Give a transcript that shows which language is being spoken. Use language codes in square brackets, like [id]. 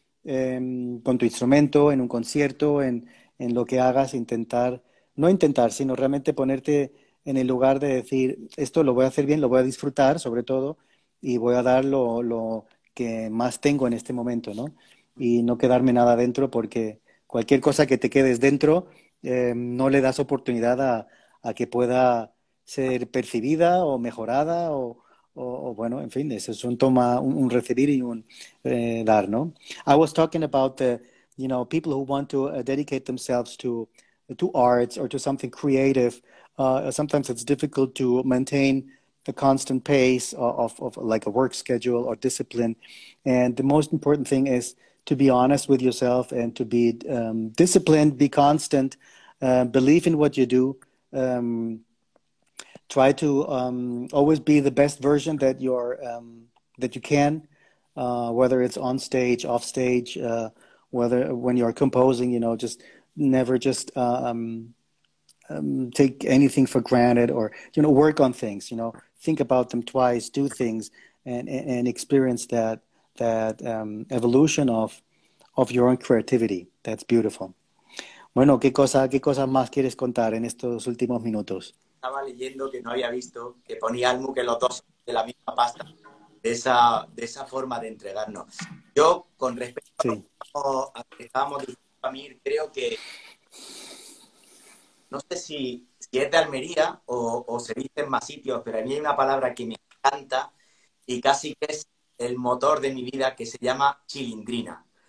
[es] Con tu instrumento, en un concierto, en lo que hagas, intentar, no intentar, sino realmente ponerte en el lugar de decir, esto lo voy a hacer bien, lo voy a disfrutar sobre todo, y voy a dar lo que más tengo en este momento, ¿no? Y no quedarme nada dentro, porque cualquier cosa que te quedes dentro, no le das oportunidad a que pueda ser percibida o mejorada o bueno, en fin, eso es un toma, un recibir y un dar, ¿no? [en] I was talking about people who want to dedicate themselves to arts or to something creative. Sometimes it's difficult to maintain the constant pace of like a work schedule or discipline. And the most important thing is to be honest with yourself and to be disciplined, be constant, believe in what you do. Try to always be the best version that that you can, whether it's on stage, off stage, whether when you are composing, just never just take anything for granted, or work on things, think about them twice, do things, and experience that evolution of your own creativity. That's beautiful. [es] Bueno, ¿qué cosa más quieres contar en estos últimos minutos? Estaba leyendo que no había visto que ponía Almu que los dos de la misma pasta, de esa forma de entregarnos. Yo, con respecto Sí. a lo que estábamos diciendo, Amir, creo que no sé si es de Almería o se dice en más sitios, pero a mí hay una palabra que me encanta y casi que es el motor de mi vida, que se llama chilindrina.